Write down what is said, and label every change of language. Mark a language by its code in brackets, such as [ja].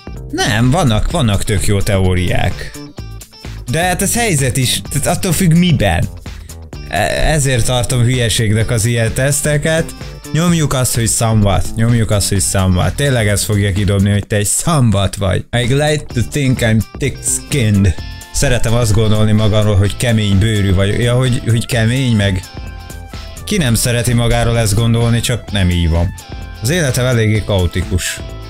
[hu] Nem, vannak tök jó teóriák. De hát ez helyzet is, tehát attól függ miben. Ezért tartom hülyeségnek az ilyen teszteket. Nyomjuk azt, hogy szambat. Nyomjuk azt, hogy szambat. Tényleg ez fogja kidobni, hogy te egy szambat vagy. [en] I like to think I'm thick-skinned. [hu] Szeretem azt gondolni magamról, hogy kemény bőrű vagy. Ja, hogy kemény meg. Ki nem szereti magáról ezt gondolni, csak nem így van. Az életem eléggé kaotikus.